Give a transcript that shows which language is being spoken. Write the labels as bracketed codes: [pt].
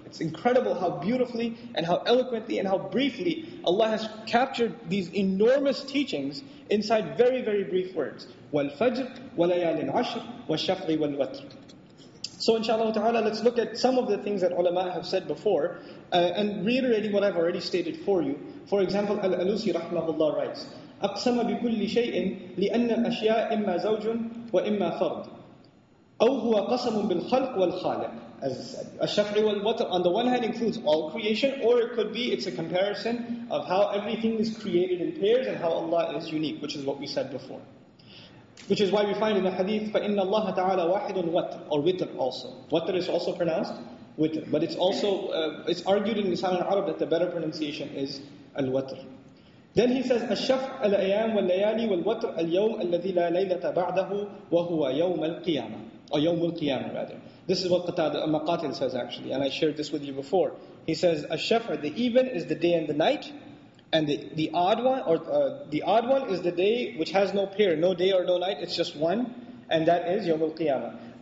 [en] It's incredible how beautifully and how eloquently and how briefly Allah has captured these enormous teachings inside very, very brief words. [ar] وَالْفَجْرِ وَلَيَالٍ عَشْرٍ وَالشَّفْعِ وَالْوَتْرِ. [en] So inshallah ta'ala, let's look at some of the things that ulama have said before, and reiterating what I've already stated for you. For example, Al-Alusi rahmahullah writes, [ar] أَقْسَمَ بِكُلِّ شَيْءٍ لِأَنَّ الْأَشْيَاءِ إِمَّا زَوْجٌ وَإِمَّا فَرْضٌ. أَوْ هُوَ قَسَمٌ بِالْخَلْقِ وَالْخَالِقِ. [en] As I said, [ar] الشَّفْعِ وَالْوَتْرِ [en] on the one hand includes all creation, or it could be, it's a comparison of how everything is created in pairs and how Allah is unique, which is what we said before. Which is why we find in the hadith, [ar] فَإِنَّ اللَّهَ تَعَالَى وَاحِدٌ وَتْرٌ, [en] or witr also. Watr is also pronounced witr, but it's also, it's argued in Nisan al-Arab that the better pronunciation is al-watr. Then he says, [ar] الشَّفْعِ الْأَيَامِ وَالْلَيَالِي وَالْوَتْرِ الْيَوْمِ الَّذِي لَا لَيْلَةَ بَعْدَهُ وَهُوَ يَوْمَ الْقِيَامَةِ. [en] Or Yawm al-Qiyamah rather. This is what Qatada al-Maqatil says actually, and I shared this with you before. He says, Ash-Shafr, the even is the day and the night, and the odd one is the day which has no pair, no day or no night, it's just one, and that is Yawm al-Qiyamah.